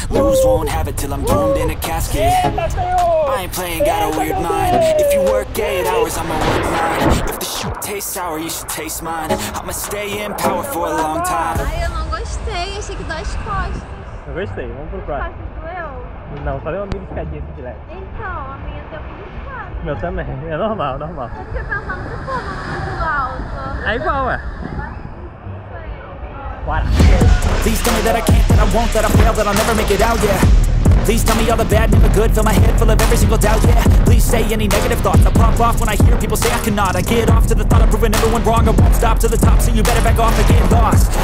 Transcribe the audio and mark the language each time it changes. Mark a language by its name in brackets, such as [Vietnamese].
[English] Lose, won't have it till I'm doomed in a casket. I ain't playing, got a weird mind. If you work 8 hours, I'ma work 9. If the shoot tastes sour, you should taste mine. I'ma stay in power for a long time. [Portuguese] Ai, eu não gostei, achei que dói as costas. Eu gostei, vamos pro próximo. Não, só deu uma beliscadinha aqui de leve. Então, a minha deu beliscada. Meu também, é normal, normal. Você tá falando de fogo muito alto. É igual, ué. [English] Please tell me that I can't, that I won't, that I fail, that I'll never make it out, yeah. Please tell me all the bad, never good, fill my head full of every single doubt, yeah. Please say any negative thoughts, I pop off when I hear people say I cannot. I get off to the thought of proving everyone wrong, I won't stop to the top, so you better back off or get lost.